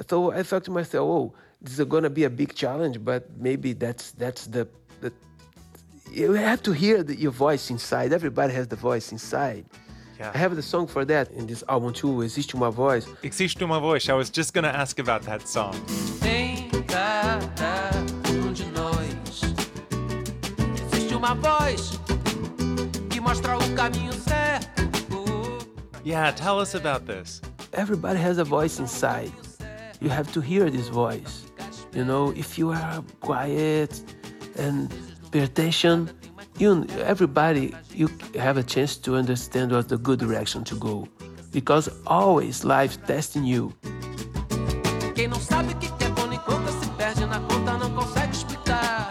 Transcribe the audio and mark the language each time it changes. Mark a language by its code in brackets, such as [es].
[en] So I thought to myself, oh, this is going to be a big challenge, but maybe that's the you have to hear your voice inside. Everybody has the voice inside. Yeah. I have the song for that in this album too, Existe Uma Voz. [pt] Existe Uma Voz. [en] I was just going to ask about that song. [pt] Tem cada um de nós. Existe uma voz que mostra o caminho certo. [en] Yeah, tell us about this. Everybody has a voice inside. You have to hear this voice. You know, if you are quiet and pay attention, you have a chance to understand what's the good direction to go. Because always life testing you. [pt] Quem não sabe o que é bom e conta se perde na conta, não consegue explicar.